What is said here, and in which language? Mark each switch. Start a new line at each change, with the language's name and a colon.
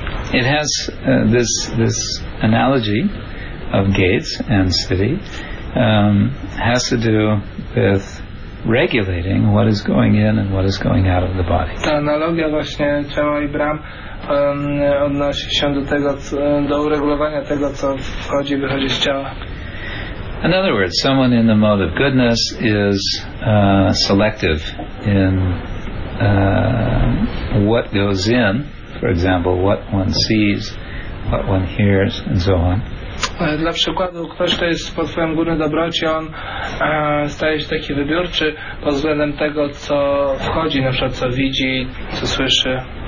English: It has this analogy of gates and city has to do with regulating what is going in and what is going out of the body.
Polish: Ta analogia właśnie ciała i bram odnosi się do tego, do uregulowania tego, co wchodzi i wychodzi z ciała.
English: In other words, someone in the mode of goodness is selective in what goes in, for example, what one sees, what one hears, and so on.
Polish: Dla przykładu, ktoś, kto jest pod wpływem góry dobroci, on staje się taki wybiórczy pod względem tego, co wchodzi, na przykład co widzi, co słyszy.